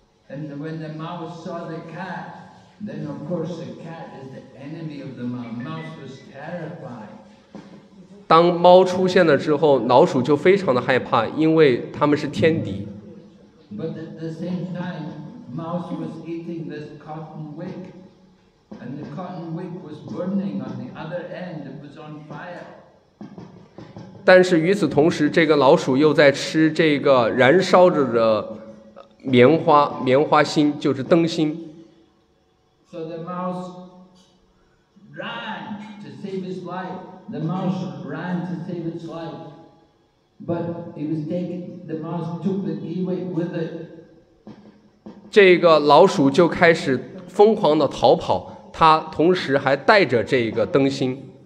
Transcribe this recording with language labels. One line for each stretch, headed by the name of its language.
English: And when the mouse saw the cat, then of course the cat is the enemy of the mouse. Mouse was terrified.
Chinese: 当猫出现了之后，老鼠就非常的害怕，因为他们是天敌。
English: But at the same time, mouse was eating this cotton wick. And the cotton wick was burning on the other end. It was on fire.
Chinese: 但是与此同时，这个老鼠又在吃这个燃烧着的棉花，棉花芯就是灯芯。
English: So the mouse ran to save his life. The mouse ran to save its life. But it was taken, the mouse took the keyway with it.
Chinese: 这个老鼠就开始疯狂的逃跑，它同时还带着这个灯芯。